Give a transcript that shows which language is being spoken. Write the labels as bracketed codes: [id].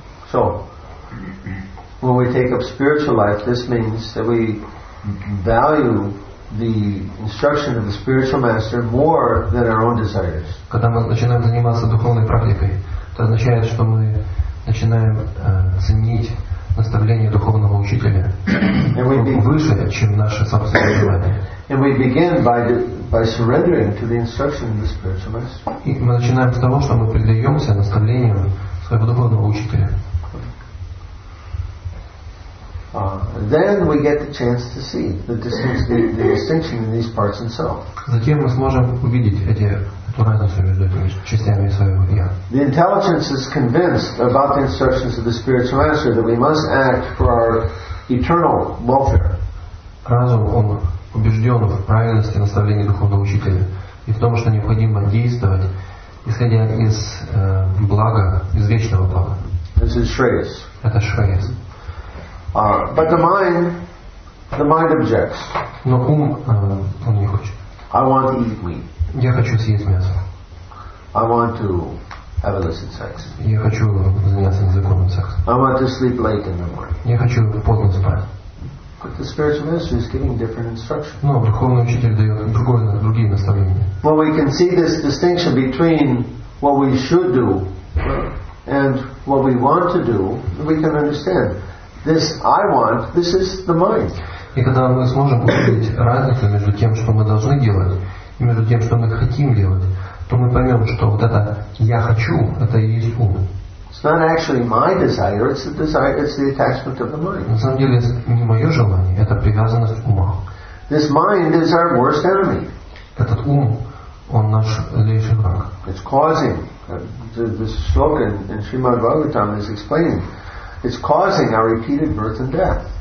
[en] So, when we take up spiritual life, this means that we value the instruction of the spiritual master more than our own desires. [ru] Когда мы начинаем заниматься духовной практикой, это означает, что мы начинаем ценить наставление духовного учителя выше, чем наши собственные желания. [en] And we begin by surrendering to the instruction of the spiritual master. [ru] И мы начинаем с того, что мы предаемся наставлениям своего духовного учителя. [en] Then we get the chance to see the distinction in these parts and self. [ru] Затем мы сможем увидеть эту разницу между этими частями своего я. [en] The intelligence is convinced about the instructions of the spiritual master that we must act for our eternal welfare. [ru] Разум, он убежден в правильности наставления духовного учителя и в том, что необходимо действовать, исходя из блага, из вечного блага. [en] This is Shreyas. [ru] Это Shreyas. [en] But the mind objects. [ru] Но ум, он не хочет. [en] I want to eat meat. [ru] Я хочу съесть мясо. [en] I want to have illicit sex. [ru] Я хочу заняться незаконным сексом. [en] I want to sleep late in the morning. [ru] Я хочу поздно спать. [en] But the spiritual master is giving different instructions. [ru] Но духовный учитель дает другие наставления. [en] Well, we can see this distinction between what we should do and what we want to do. We can understand. This I want, this is the mind. [ru] И когда мы сможем увидеть разницу между тем, что мы должны делать, и между тем, что мы хотим делать, то мы поймем, что вот это «я хочу» — это и есть ум. [en] It's not actually my desire, it's the desire, it's the attachment of the mind. [ru] На самом деле, это не мое желание, это привязанность ума. [en] This mind is our worst enemy. [ru] Этот ум, он наш злейший враг. [en] It's causing. The slogan in Srimad Bhagavatam is explaining. It's causing our repeated birth and death.